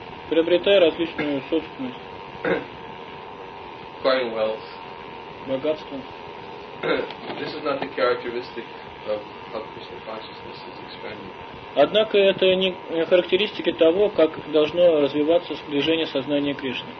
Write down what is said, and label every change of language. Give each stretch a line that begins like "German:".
Russian: Приобретая различную собственность.
English: Acquiring wealth.
Russian: Богатство.
English: This is not the characteristic of how Krishna consciousness is expanding.
Russian: Однако это не характеристики того, как должно развиваться движение сознания Кришны.